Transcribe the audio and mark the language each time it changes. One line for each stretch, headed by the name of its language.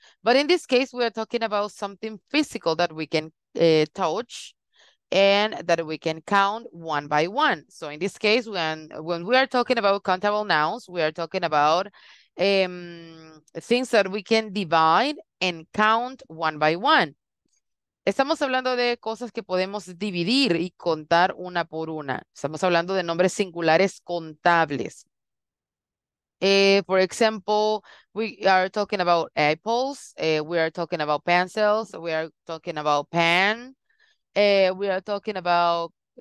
English: But in this case, we are talking about something physical that we can touch and that we can count one by one. So in this case, when we are talking about countable nouns, we are talking about things that we can divide and count one by one.
Spanish: Estamos hablando de cosas que podemos dividir y contar una por una. Estamos hablando de nombres singulares contables.
English: For example, we are talking about apples, we are talking about pencils, we are talking about pen, we are talking about